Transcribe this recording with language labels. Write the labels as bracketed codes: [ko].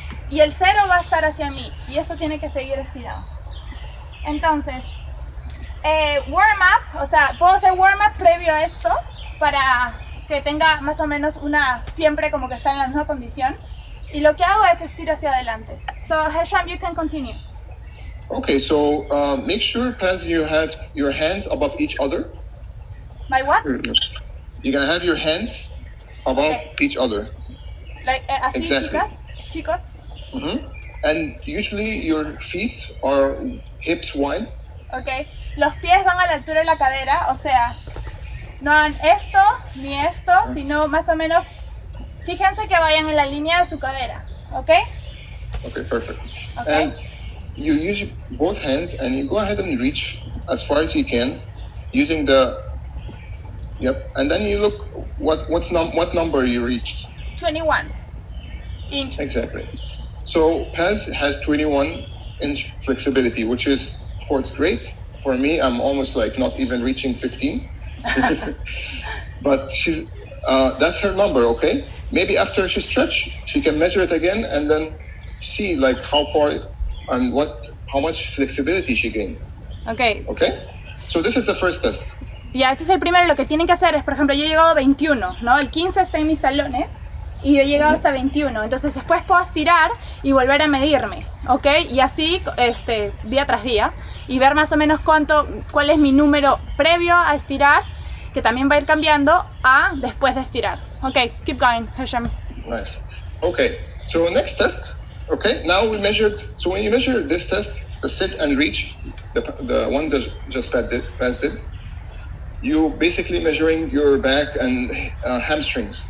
[es] Y el 0 va a estar hacia mí, y eso tiene que seguir estirado. Entonces, warm up, o sea, puedo hacer warm up previo a esto, para que tenga más o menos una, siempre como que está en la misma condición. Y lo que hago es estiro hacia adelante. [en] So, Hasham, you can continue. Okay, so make sure, Paz, you have your hands above each other. My what? You're gonna have your hands above each other. [es] Like, así, [en] exactly. [es] Chicas? [en] Mm-hmm. And usually your feet are hips wide. [es] Okay. Los pies van a la altura de la cadera, o sea, no hagan esto ni esto, mm-hmm. sino más o menos, fíjense que vayan en la línea de su cadera, okay? [en] Okay, perfect. Okay. And you use both hands and you go ahead and reach as far as you can using the Yep, and then you look what number you reached. 21 inches. Exactly. So Paz has 21 inch flexibility, which is of course great. For me, I'm almost like not even reaching 15. But she's that's her number, okay? Maybe after she stretch, she can measure it again and then see like how far and how much flexibility she gained. Okay. Okay. So this is the first test. [es] Ya, este es el primero. Lo que tienen que hacer es, por ejemplo, yo he llegado a 21, ¿no? El 15 está en mis talones y yo he llegado hasta 21. Entonces, después puedo estirar y volver a medirme, ¿ok? Y así, día tras día, y ver más o menos cuál es mi número previo a estirar, que también va a ir cambiando a después de estirar. [en] Ok, keep going, Hasham. Nice. Ok, so next test, ok? Now we measured, so when you measure this test, the sit and reach, the one that just passed it, you basically measuring your back and hamstrings.